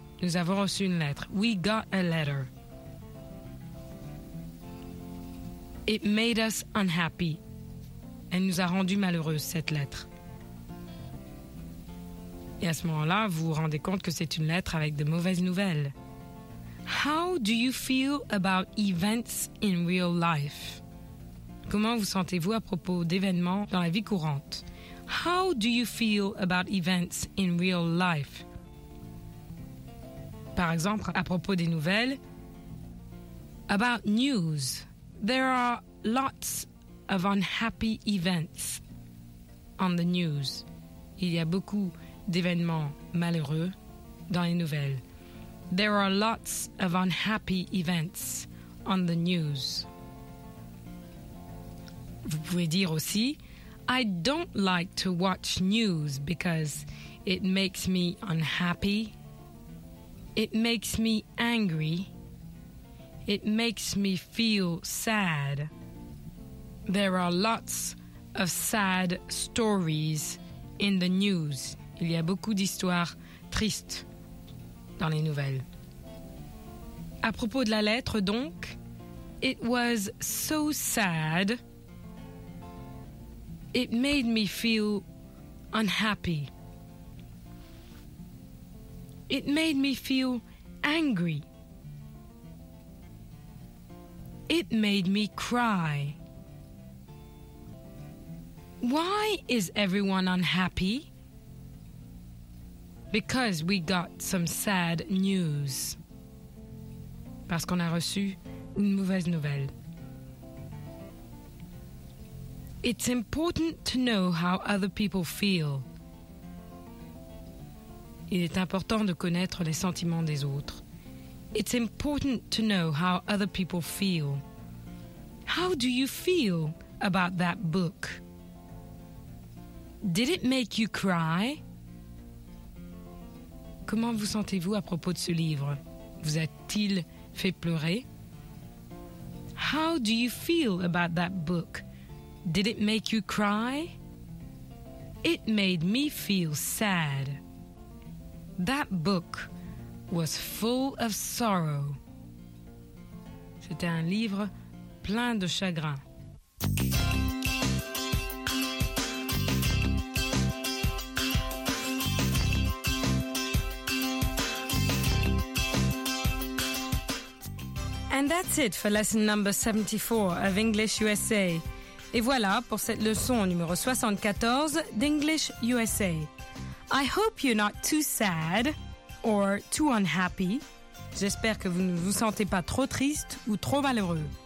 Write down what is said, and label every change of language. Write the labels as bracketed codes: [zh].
[fr] Nous avons reçu une lettre. [en] We got a letter. It made us unhappy. [fr] Elle nous a rendu malheureuse, cette lettre. Et à ce moment-là, vous vous rendez compte que c'est une lettre avec de mauvaises nouvelles. [en] How do you feel about events in real life? [fr] Comment vous sentez-vous à propos d'événements dans la vie courante? [en] How do you feel about events in real life? [fr] Par exemple, à propos des nouvelles, [en] about news. There are lots of unhappy events on the news. [fr] Il y a beaucoup d'événements malheureux dans les nouvelles. [en] There are lots of unhappy events on the news. [fr] Vous pouvez dire aussi, [en] I don't like to watch news because it makes me unhappy. It makes me angry. It makes me feel sad. There are lots of sad stories in the news. [fr] Il y a beaucoup d'histoires tristes dans les nouvelles. À propos de la lettre, donc, [en] it was so sad. It made me feel unhappy. It made me feel angry. It made me cry. Why is everyone unhappy? Because we got some sad news. [fr] Parce qu'on a reçu une mauvaise nouvelle. [en] It's important to know how other people feel. [fr] Il est important de connaître les sentiments des autres. [en] It's important to know how other people feel. How do you feel about that book? Did it make you cry? [fr] Comment vous sentez-vous à propos de ce livre? Vous a-t-il fait pleurer? [en] How do you feel about that book? Did it make you cry? It made me feel sad. That book was full of sorrow. [fr] C'était un livre plein de chagrin. [en] And that's it for lesson number 74 of English USA. [fr] Et voilà pour cette leçon numéro 74 d'English USA. [en] I hope you're not too sad. Or too unhappy. [fr] J'espère que vous ne vous sentez pas trop triste ou trop malheureux.